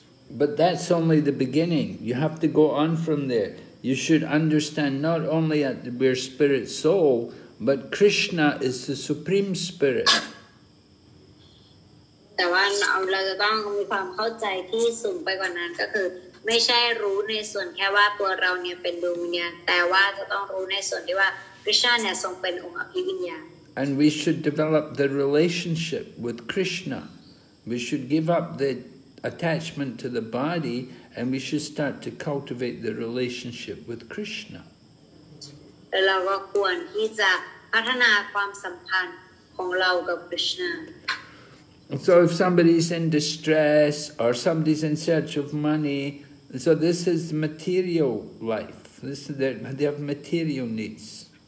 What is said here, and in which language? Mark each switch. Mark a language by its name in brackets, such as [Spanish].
[English] But that's only the beginning. You have to go on from there. You should understand not only that we're spirit soul, but Krishna is the supreme spirit. [Thai] แต่ว่าเราจะต้องมีความเข้าใจที่สูงไปกว่านั้นก็คือไม่ใช่รู้ในส่วนแค่ว่าตัวเราเนี่ยเป็นดวงวิญญาณแต่ว่าจะต้องรู้ในส่วนที่ว่าคริสต์เนี่ยทรงเป็นองค์อภิวิญญาณ [English] And we should develop the relationship with Krishna. We should give up the attachment to the body and we should start to cultivate the relationship with Krishna. [Thai] เราก็ควรที่จะพัฒนาความสัมพันธ์ของเรากับคริสต์ [English] So if somebody's in distress or somebody's in search of money, so this is material life. This is they have material needs.